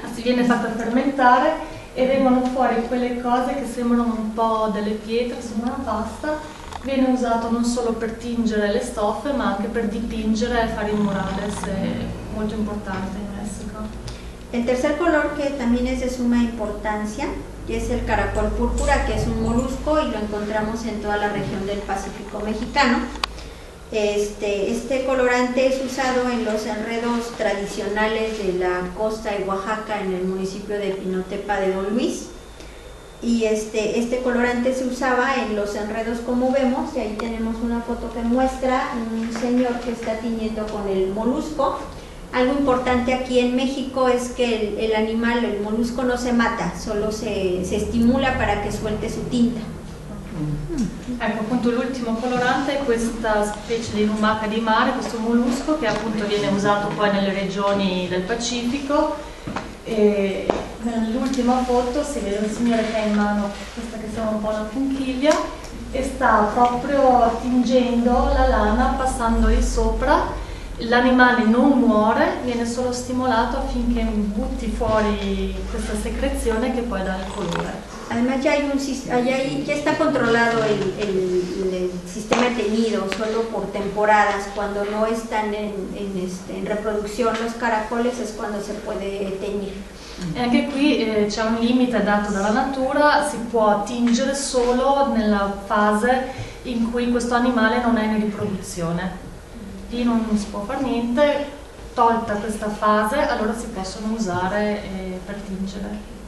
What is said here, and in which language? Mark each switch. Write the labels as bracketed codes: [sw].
[it] si viene fatta fermentare e vengono fuori quelle cose che sembrano un po' delle pietre, insomma una pasta, viene usato non solo per tingere le stoffe ma anche per dipingere e fare il murales, è molto importante in Messico. [es] El tercer color, que también es de suma importancia, es el caracol púrpura, que es un molusco y lo encontramos en toda la región del Pacífico mexicano. Este colorante es usado en los enredos tradicionales de la costa de Oaxaca, en el municipio de Pinotepa de Don Luis. Y este colorante se usaba en los enredos, como vemos, y ahí tenemos una foto que muestra un señor que está tiñendo con el molusco. Algo importante aquí en México es que el animal, el molusco, no se mata, solo se estimula para que suelte su tinta. [it] Ecco, appunto, l'ultimo colorante è questa specie di lumaca di mare, questo mollusco che appunto viene usato poi nelle regioni del Pacifico. E nell'ultima foto si vede un signore che ha in mano questa che sembra un po' una conchiglia e sta proprio tingendo la lana passandogli sopra. L'animale non muore, viene solo stimolato affinché butti fuori questa secrezione che poi dà il colore. [es] Además ya está controlado el sistema de teñido solo por temporadas. Cuando no están en reproducción los caracoles es cuando se puede teñir. [it] E anche qui c'è un limite dato dalla natura, si può tingere solo nella fase in cui questo animale non è in riproduzione. Lì non si può fare niente, tolta questa fase, allora si possono usare per tingere.